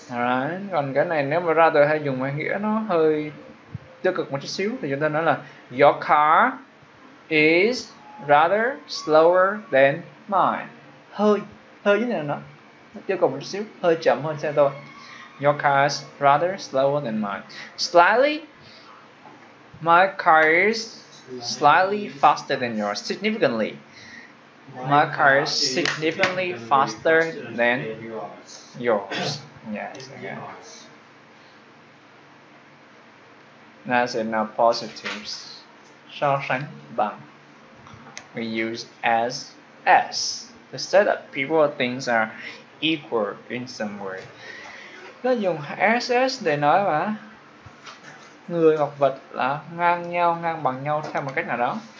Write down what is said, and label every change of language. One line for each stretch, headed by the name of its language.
Vietnamese: Alright, còn cái này nếu mà rather hay dùng nghĩa nó hơi tiêu cực một chút xíu thì chúng ta nói là
English: your car is rather slower than mine.
Vietnamese: Hơi như thế nào đó, tiêu cực một chút xíu, hơi chậm hơn xe tôi.
English: Your car is rather slower than mine. Slightly, my car is slightly faster than yours. Significantly, my car is significantly faster than yours. Yes, okay. That's it, now positives.
Vietnamese: So sánh bằng.
English: We use as. To say that people or things are equal in some way.
Vietnamese: Nó dùng SS để nói mà người hoặc vật là ngang nhau, ngang bằng nhau theo một cách nào đó.